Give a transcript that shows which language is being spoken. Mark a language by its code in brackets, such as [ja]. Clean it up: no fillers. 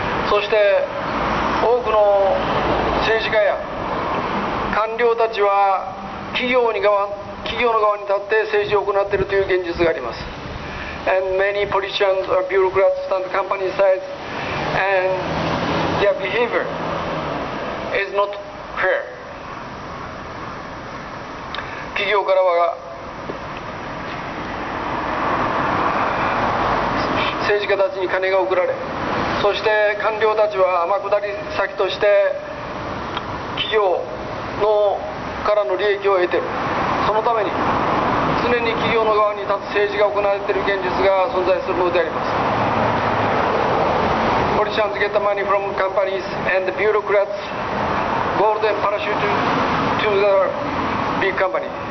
[ja] そして多くの政治家や官僚たちは企業の側に立って政治を行っているという現実があります。 [en] And many politicians or bureaucrats on the company side and their behavior is not fair. [ja] 企業からは政治家たちに金が送られ、そして官僚たちは天下り先として企業のからの利益を得ている。そのために常に企業の側に立つ政治が行われている現実が存在するのであります。 [en] Politicians get the money from companies and bureaucrats golden parachute to the big company.